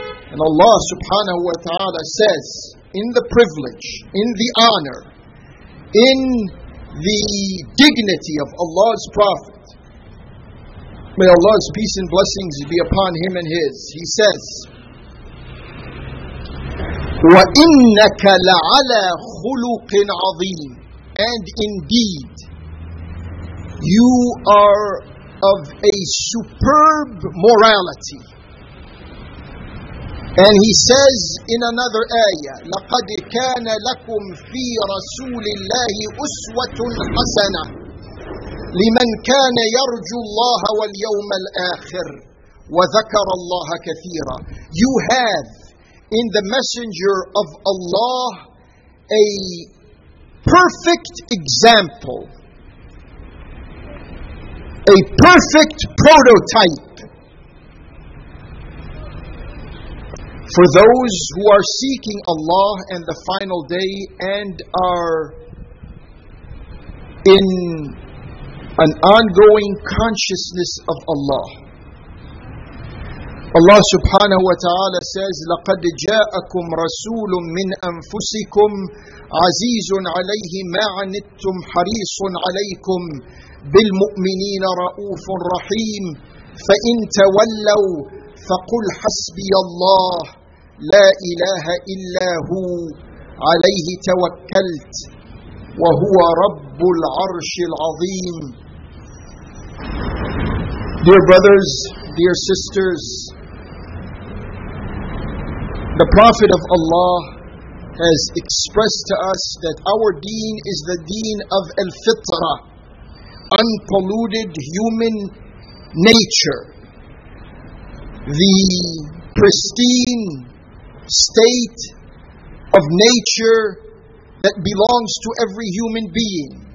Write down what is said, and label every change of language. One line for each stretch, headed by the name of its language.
English: And Allah subhanahu wa ta'ala says, in the privilege, in the honor, in the dignity of Allah's Prophet, may Allah's peace and blessings be upon him and his, he says,
Arabic: وَإِنَّكَ لَعَلَى خُلُقٍ عَظِيمٍ.
English: And indeed, you are of a superb morality. And he says in another ayah,
Arabic: لَقَدْ كَانَ لَكُمْ فِي رَسُولِ اللَّهِ أُسْوَةٌ حَسَنَةٌ لِمَنْ كَانَ يَرْجُ اللَّهَ وَالْيَوْمَ الْآخِرِ وَذَكَرَ اللَّهَ كَثِيرًا.
English: You have in the Messenger of Allah a perfect example, a perfect prototype for those who are seeking Allah and the final day and are in an ongoing consciousness of Allah. Allah subhanahu wa ta'ala says,
Arabic: لَقَدْ جَاءَكُمْ رَسُولٌ مِّنْ أَنفُسِكُمْ عَزِيزٌ عَلَيْهِ مَا عَنِتُّمْ حَرِيصٌ عَلَيْكُمْ بِالْمُؤْمِنِينَ رَؤُوفٌ رَحِيمٌ فَإِن تَوَلَّوْا فَقُلْ حَسْبِيَ اللَّهُ لَا إِلَهَ إِلَّا هُوَ عَلَيْهِ تَوَكَّلْتُ وَهُوَ رَبُّ الْعَرْشِ الْعَظِيمِ.
English: Dear brothers, dear sisters, the Prophet of Allah has expressed to us that our deen is the deen of al-fitrah, unpolluted human nature, the pristine state of nature that belongs to every human being.